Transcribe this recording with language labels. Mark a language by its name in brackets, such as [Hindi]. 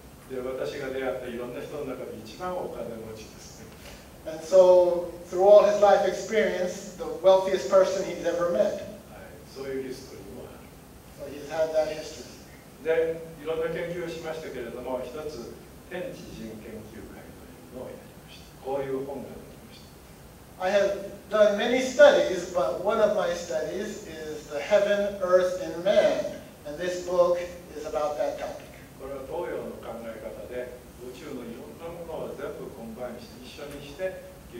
[Japanese] で、私が出会ったいろんな人の中で一番お金持ちですね。 [English] And so,through all his life experience, the wealthiest person he's ever met. [Japanese] そういうヒストリーもある。 [English] So he's had that history. [Japanese] で、いろんな研究をしましたけれども、一つ、天地人研究会というのをやりました。こういう本ができました。 [English] I have done many studies, but one of my studies is the heaven, earth, and man. And this book is about that topic. [Japanese] これは東洋の考え方で、宇宙のいろんなものを全部コンバインして、一緒にして、